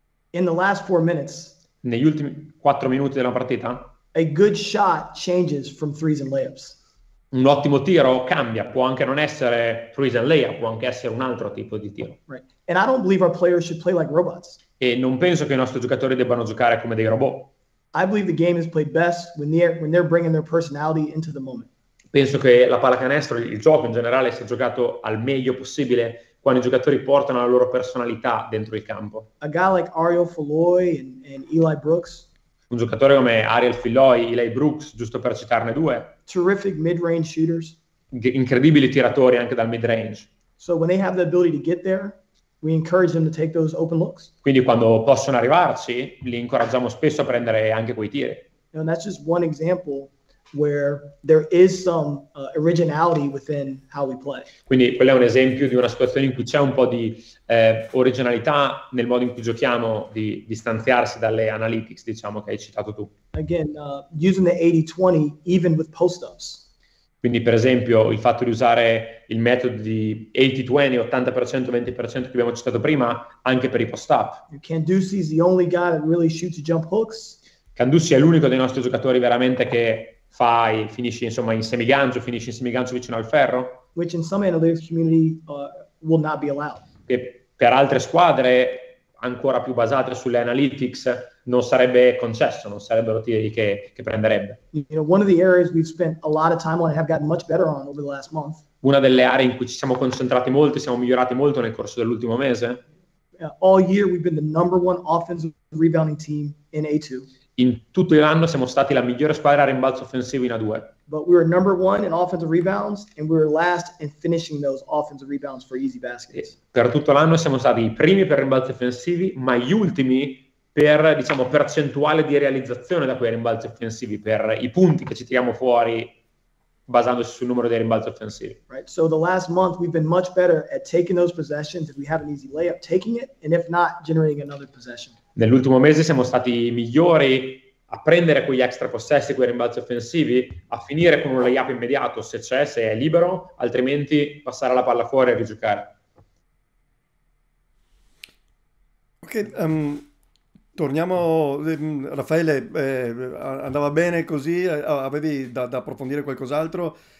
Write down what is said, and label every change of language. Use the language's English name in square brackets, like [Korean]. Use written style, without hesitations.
[English] In the last 4 minutes. [Italian] Negli ultimi 4 minuti della partita. [English] A good shot changes from threes and layups. [Italian] Un ottimo tiro cambia, può anche non essere [English] threes and layup, [Italian] può anche essere un altro tipo di tiro. [English] Right. And I don't believe our players should play like robots. [Italian] E non penso che i nostri giocatori debbano giocare come dei robot. [English] I believe the game is played best when they're bringing their personality into the moment. [Italian] Penso che la pallacanestro, il gioco in generale, sia giocato al meglio possibile quando i giocatori portano la loro personalità dentro il campo. [English] A guy like Ariel Filloi and Eli Brooks. [Italian] Un giocatore come Ariel Filloi, Eli Brooks, giusto per citarne due. [English] Terrific mid-range shooters. [Italian] Incredibili tiratori anche dal mid-range. [English] So when they have the ability to get there, we encourage them to take those open looks. [Italian] Quindi quando possono arrivarci, li incoraggiamo spesso a prendere anche quei tiri. [English] And that's just one example where there is some originality within how we play. [Italian] Quindi quello è un esempio di una situazione in cui c'è un po' di originalità nel modo in cui giochiamo, di distanziarsi dalle analytics, diciamo, che hai citato tu. [English] Again, using the 80-20 even with post-ups. [Italian] Quindi, per esempio, il fatto di usare il metodo di 80-20, 80%, 20% che abbiamo citato prima, anche per i post-up. [English] Candusi is the only guy that really shoots jump hooks. [Italian] Candusi è l'unico dei nostri giocatori veramente che fai, finisci insomma in semigancio, finisci in semigancio vicino al ferro. [English] Which in some analytics community will not be allowed. [Italian] Che per altre squadre ancora più basate sulle analytics non sarebbe concesso, non sarebbero tiri che prenderebbe. [English] You know, one of the areas we've spent a lot of time on and have gotten much better on over the last month. [Italian] Una delle aree in cui ci siamo concentrati molto, siamo migliorati molto nel corso dell'ultimo mese. [English] All year we've been the number one offensive rebounding team in A2. [Italian] In tutto l'anno siamo stati la migliore squadra a rimbalzo offensivo in A2. [English] But we were number one in offensive rebounds and we were last in finishing those offensive rebounds for easy baskets. [Italian] Per tutto l'anno siamo stati i primi per rimbalzi offensivi, ma gli ultimi per, diciamo, percentuale di realizzazione da quei rimbalzi offensivi, per i punti che ci tiriamo fuori basandosi sul numero dei rimbalzi offensivi. [English] Right. So the last month we've been much better at taking those possessions if we have an easy layup, taking it and if not generating another possession. [Italian] Nell'ultimo mese siamo stati migliori a prendere quegli extra possessi, quei rimbalzi offensivi, a finire con un layup immediato se c'è, se è libero, altrimenti passare la palla fuori e rigiocare. Ok, torniamo, Raffaele, andava bene così, avevi da approfondire qualcos'altro?